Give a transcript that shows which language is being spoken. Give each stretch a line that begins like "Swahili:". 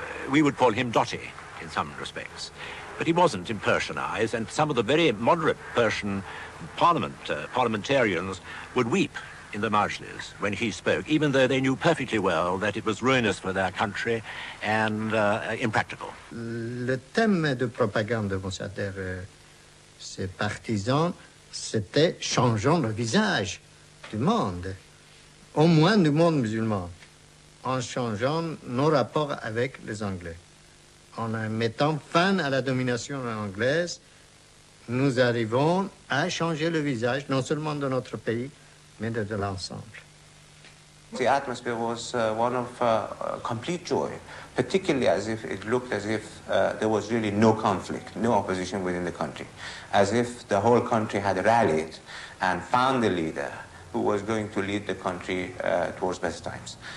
English: We would call him Dotty in some respects. But he wasn't in Persian eyes, and some of the very moderate Persian parliamentarians would weep in the majlis when he spoke, even though they knew perfectly well that it was ruinous for their country and impractical.
French: Le thème de propagande de Mossadegh, ses partisans, c'était changeant le visage du monde, au moins du monde musulman, en changeant nos rapports avec les Anglais. En mettant fin à la domination anglaise, nous arrivons à changer le visage, non seulement de notre pays, mais de l'ensemble.
English: The atmosphere was one of complete joy, particularly as if it looked as if there was really no conflict, no opposition within the country, as if the whole country had rallied and found the leader who was going to lead the country towards best times.